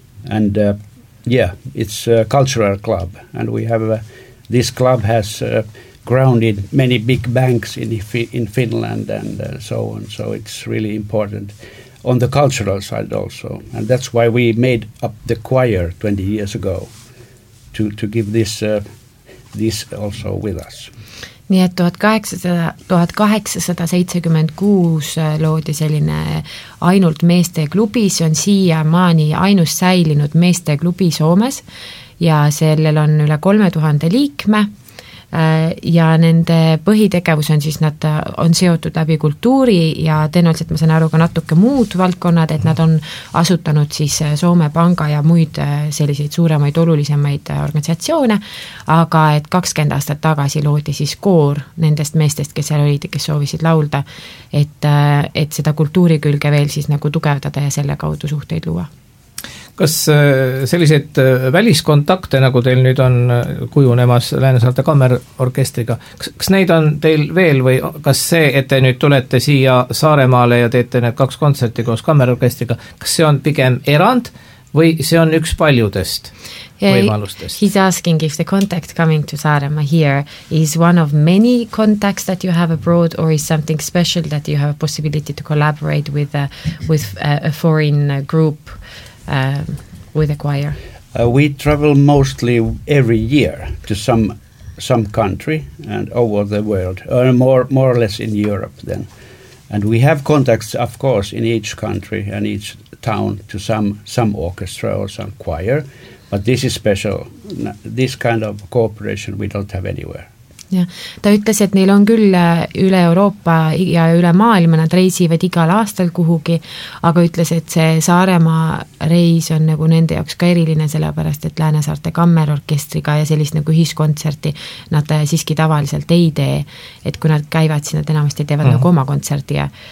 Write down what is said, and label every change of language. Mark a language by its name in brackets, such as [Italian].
[English] and it's a cultural club, and we have this club has grounded many big banks in Finland and so on, so it's really important on the cultural side also, and that's why we made up the choir 20 years ago to give this also with us. [Estonian] Nii et 1876 loodi selline ainult meeste klubi, see on siia maani ainus säilinud meeste klubi Soomes ja sellel on üle 3000 liikme ja nende põhitegevus on siis nad on seotud läbi kultuuri ja tõenäoliselt ma saan aru ka natuke muud valdkonnad, et nad on asutanud siis Soome Panga ja muid selliseid suuremaid olulisemaid organisatsioone, aga et 20 aastat tagasi loodi siis koor nendest meestest, kes seal olid, kes soovisid laulda, et seda kultuuri külge veel siis nagu tugevdada ja selle kaudu suhteid luua. Kas sellised väliskontakte, nagu teil nüüd on kujunemas Läänesaarte Kammerorkestriga, kas neid on teil veel või kas see, et te nüüd tulete siia Saaremaale ja teete need kaks kontserti koos kammerorkestriga, kas see on pigem erand või see on üks paljudest võimalustest? [English] He's asking if the contact coming to Saaremaa here is one of many contacts that you have abroad or is something special that you have a possibility to collaborate with a foreign group with a choir? We travel mostly every year to some country and over the world, or more or less in Europe then. And we have contacts, of course, in each country and each town to some orchestra or some choir, but this is special. This kind of cooperation we don't have anywhere. [Estonian] Ja ta ütles, et neil on küll üle Euroopa ja üle maailma, nad reisivad igal aastal kuhugi, aga ütles, et see Saaremaa reis on nagu nende jaoks ka eriline sellepärast, et Läänesaarte Kammerorkestriga ja sellist nagu ühiskontserti nad siiski tavaliselt ei tee, et kui nad käivad, siis nad enamasti teevad nagu oma kontserti